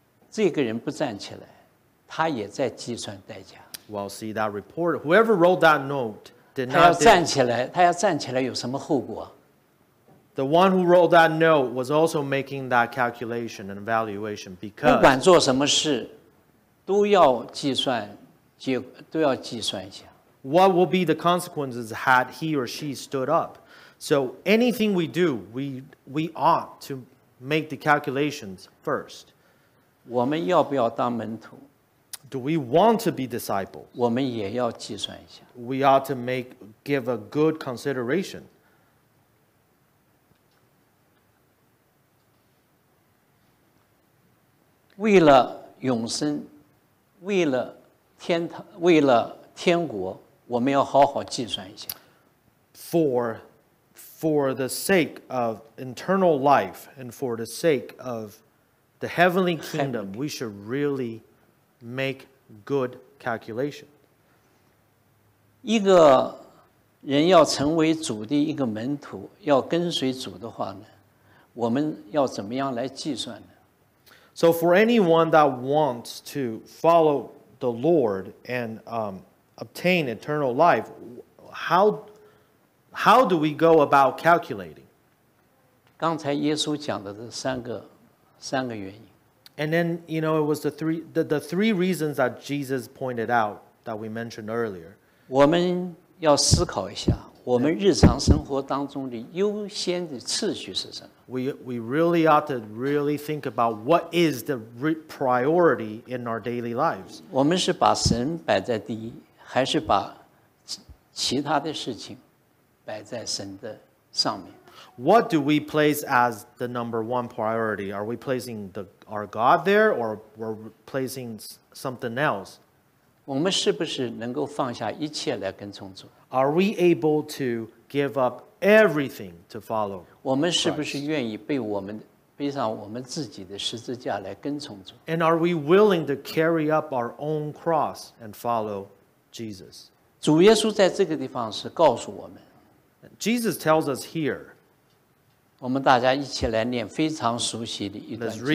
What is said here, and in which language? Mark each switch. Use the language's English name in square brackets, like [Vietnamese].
[Chinese] 这个人不站起来，他也在计算代价。 [English] Well, see that reporter, whoever wrote that note. [Chinese] 他要站起来有什么后果？ [English] The one who wrote that note was also making that calculation and evaluation because [Chinese] 不管做什么事都要计算，都要计算一下。 [English] What will be the consequences had he or she stood up? So anything we do, we ought to make the calculations first. [Chinese] 我们要不要当门徒？ [English] Do we want to be disciples? [Chinese] 我们也要计算一下。 [English] We ought to give a good consideration. [Chinese] 为了永生，为了天国，我们要好好计算一下。 [English] For the sake of eternal life and for the sake of the heavenly kingdom, we should really. Make good calculation. [Chinese] 一个人要成为主的一个门徒，要跟随主的话呢，我们要怎么样来计算呢？ [English] So for anyone that wants to follow the Lord and obtain eternal life, how do we go about calculating? [Chinese] 刚才耶稣讲的这三个原因。 [English] And then, you know, it was the three reasons that Jesus pointed out that we mentioned earlier. [Chinese] 我们要思考一下，我们日常生活当中的优先的次序是什么？ [English] We really ought to really think about what is the priority in our daily lives. [Chinese] 我们是把神摆在第一，还是把其他的事情摆在神的上面？ [English] What do we place as the number one priority? Are we placing our God there or we're placing something else? [Chinese] 我们是不是能够放下一切来跟从主？ [English] Are we able to give up everything to follow Christ? [Chinese] 我们是不是愿意背上我们自己的十字架来跟从主？ [English] And are we willing to carry up our own cross and follow Jesus? [Chinese] 主耶稣在这个地方是告诉我们。 [English] Jesus tells us here, [Chinese] 我们大家一起来念非常熟悉的一段经文。